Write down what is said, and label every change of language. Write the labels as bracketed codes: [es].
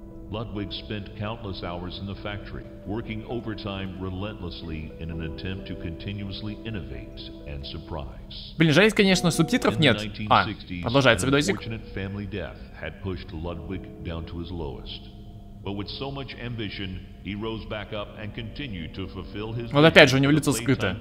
[en] Ludwig spent countless hours in the factory, working overtime relentlessly in an attempt to continuously innovate and surprise. [ru] Блин, жаль, конечно, субтитров нет. А, продолжается видосик. [en] Unfortunate family death had pushed Ludwig down to his lowest. But with so much ambition, he rose back up and continued to fulfill his dream. [ru] Вот опять же, у него лицо скрытое.